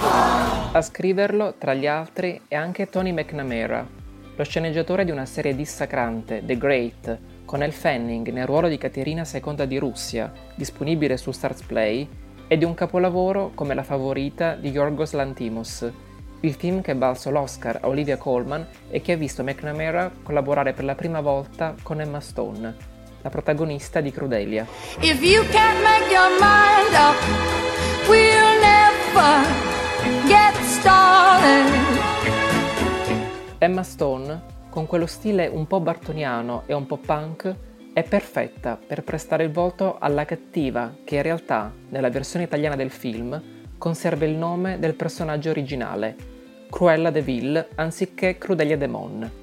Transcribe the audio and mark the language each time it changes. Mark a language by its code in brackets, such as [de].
[it] A scriverlo, tra gli altri, è anche Tony McNamara, lo sceneggiatore di una serie dissacrante, The Great, con Elle Fanning nel ruolo di Caterina II di Russia, disponibile su Stars Play, e di un capolavoro come La favorita di Yorgos Lanthimos, il film che ha valso l'Oscar a Olivia Colman e che ha visto McNamara collaborare per la prima volta con Emma Stone, la protagonista di Crudelia. [en] If you can't make your mind up, we'll never get started. [it] Emma Stone, con quello stile un po' bartoniano e un po' punk, è perfetta per prestare il volto alla cattiva che in realtà, nella versione italiana del film, conserva il nome del personaggio originale, Cruella de Vil, anziché Crudelia Demon.